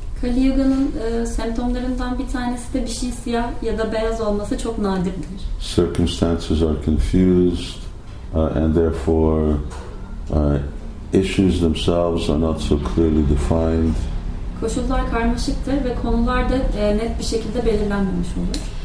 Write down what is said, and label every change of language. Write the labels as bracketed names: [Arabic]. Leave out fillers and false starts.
[Turkish] Kali Yuga'nın semptomlarından bir tanesi de bir şey siyah ya da beyaz olması çok nadirdir. [English] Circumstances are confused and therefore issues themselves are not so clearly defined. [Turkish] Koşullar karmaşıktır ve konular da net bir şekilde belirlenmemiş olur.